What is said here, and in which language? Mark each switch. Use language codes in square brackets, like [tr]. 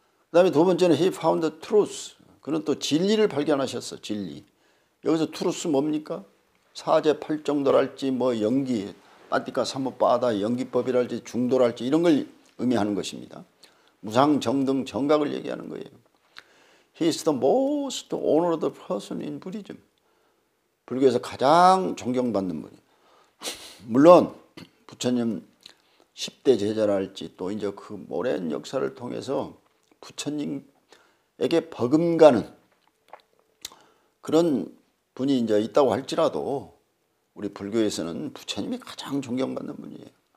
[ko] 그 다음에 두 번째는 [en] He found the truth. [ko] 그는 또 진리를 발견하셨어. 진리. 여기서 truth 뭡니까? 사제팔정도랄지 뭐 연기, 아띠카 사모빠다 연기법이랄지 중도랄지 이런 걸 의미하는 것입니다. 무상정등 정각을 얘기하는 거예요. [en] He is the most honored person in Buddhism. [ko] 불교에서 가장 존경받는 분이. 물론 부처님 10대 제자랄지 또 이제 그 오랜 역사를 통해서 부처님에게 버금가는 그런 분이 이제 있다고 할지라도 우리 불교에서는 부처님이 가장 존경받는 분이에요.